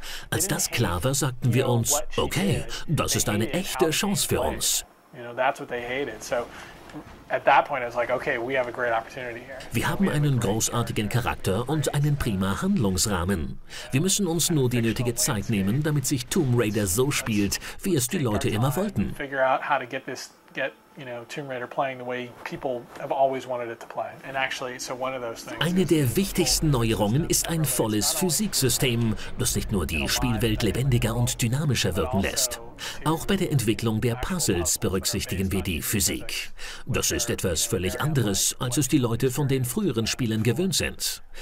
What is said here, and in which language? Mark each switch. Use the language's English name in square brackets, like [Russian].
[German] Als das klar war, sagten wir uns, okay, das ist eine echte Chance für uns. [English] You know, that's what they hated. So at that point I was like, okay, we have a great opportunity here. [German] Wir haben einen großartigen Charakter und einen prima Handlungsrahmen. Wir müssen uns nur die nötige Zeit nehmen, damit sich Tomb Raider so spielt, wie es die Leute immer wollten. [English] Figure out how to get this you know, Tomb Raider playing the way people have always wanted it to play. And actually, so one of those things. [German] Eine der wichtigsten Neuerungen ist ein volles Physiksystem, das nicht nur die Spielwelt lebendiger und dynamischer wirken lässt. Auch bei der Entwicklung der Puzzles berücksichtigen wir die Physik. Das ist etwas völlig anderes, als es die Leute von den früheren Spielen gewöhnt sind.